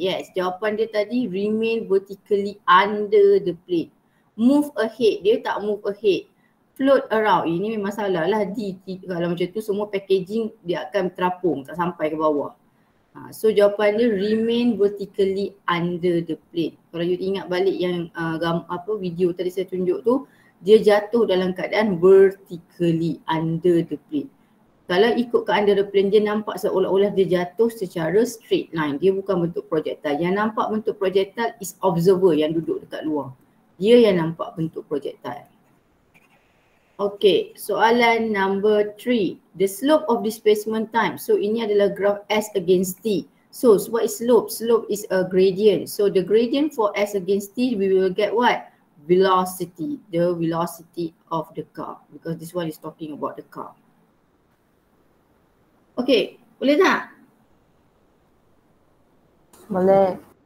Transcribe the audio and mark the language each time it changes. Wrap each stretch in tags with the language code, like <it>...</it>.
<en>Yes,</en> <ms>jawapan dia tadi</ms> <en>remain vertically under the plane. Move ahead,</en> <ms>dia tak</ms> <en>move ahead. Float around,</en> <ms>ini memang salah lah. Kalau macam tu semua packaging dia akan terapung, tak sampai ke bawah.</ms> <en>So</en> <ms>jawapan dia</ms> <en>remain vertically under the plane.</en> <ms>Kalau you ingat balik yang video tadi saya tunjuk tu, dia jatuh dalam keadaan</ms> <en>vertically under the plane.</en> <ms>Kalau ikut ke</ms> <en>under the plane,</en> <ms>dia nampak seolah-olah dia jatuh secara</ms> <en>straight line.</en> <ms>Dia bukan bentuk projectile. Yang nampak bentuk projectile is observer yang duduk dekat luar. Dia yang nampak bentuk projectile. Okay, soalan number 3.</ms> <en>The slope of displacement time.</en> <ms>So ini adalah graph</ms> <en>S against T. So what is slope? Slope is a gradient. So the gradient for S against T, we will get what? Velocity. The velocity of the car. Because this one is talking about the car.</en> <ms>Okay, boleh tak? Boleh.</ms>